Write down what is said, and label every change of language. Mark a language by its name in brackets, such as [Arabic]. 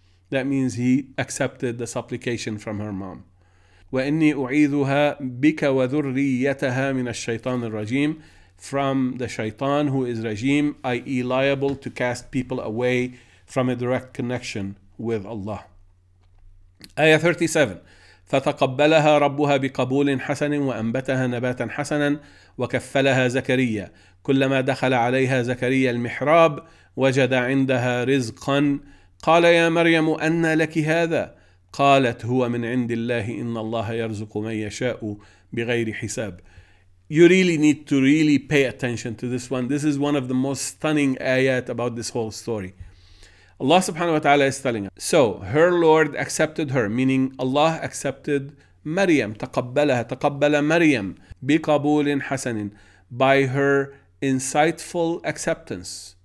[English] That means He accepted the supplication from her mom. [Arabic] وَإِنِّي أُعِيذُهَا بِكَ وَذُرِّيَّتَهَا مِنَ الشَّيْطَانِ الرَّجِيمِ [English] From the shaitan who is rajim, i.e. liable to cast people away from a direct connection with Allah. Ayah 37. [Arabic] فَتَقَبَّلَهَا رَبُّهَا بِقَبُولٍ حَسَنٍ وَأَنْبَتَهَا نَبَاتًا حَسَنًا وَكَفَّلَهَا زَكَرِيَّا كُلَّمَا دَخَلَ عَلَيْهَا زَكَرِيَّا الْمِحْرَابِ وَجَدَ عِنْدَهَا رِزْقًا قَالَ يَا مَرْيَمُ أَنَّى لَكِ هَذَا قَالَتْ هُوَ مِنْ عِنْدِ اللَّهِ إِنَّ اللَّهَ يَرْزُقُ مَنْ يَشَاءُ بِغَيْرِ حِسَابٍ [English] You really need to really pay attention to this one. This is one of the most stunning ayat about this whole story. Allah subhanahu wa ta'ala is telling us. So, her Lord accepted her, meaning Allah accepted Maryam, [Arabic] تقبلها, تقبل مريم, بِقَبُولٍ حَسَنٍ [English] by her insightful acceptance.